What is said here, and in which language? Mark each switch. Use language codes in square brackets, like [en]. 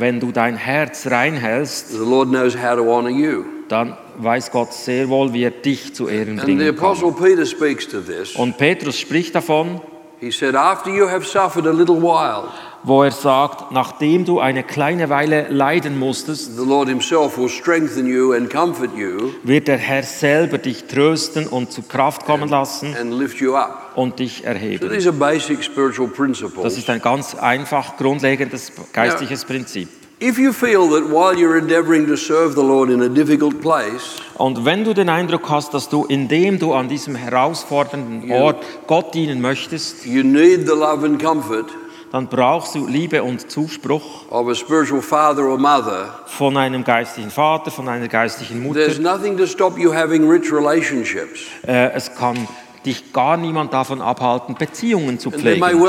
[de] wenn du dein Herz reinhältst, [en] the Lord knows how to honor you. [de] Dann weiß Gott sehr wohl, wie er dich zu Ehren bringen [en] the [de] kann. [en] Peter speaks to this. [de] Und Petrus spricht davon, [en] he said, after you have suffered a little while, [de] wo er sagt, nachdem du eine kleine Weile leiden musstest, [en] the Lord himself will strengthen you and comfort you, [de] wird der Herr selber dich trösten und zu Kraft kommen lassen [en] and lift you up. [de] Und dich erheben. [en] So these are basic spiritual principles. [de] Das ist ein ganz einfach grundlegendes geistliches Prinzip. [en] If you feel that while you're endeavoring to serve the Lord in a difficult place, [de] und wenn du den Eindruck hast, dass du indem du an diesem herausfordernden Ort Gott dienen möchtest, [en] you need the love and comfort, [de] dann brauchst du Liebe und Zuspruch [en] of a spiritual father or mother, [de] von einem geistlichen Vater, von einer geistlichen Mutter. [en] There's nothing to stop you having rich relationships. [de] Es kann dich gar niemand davon abhalten, Beziehungen zu pflegen.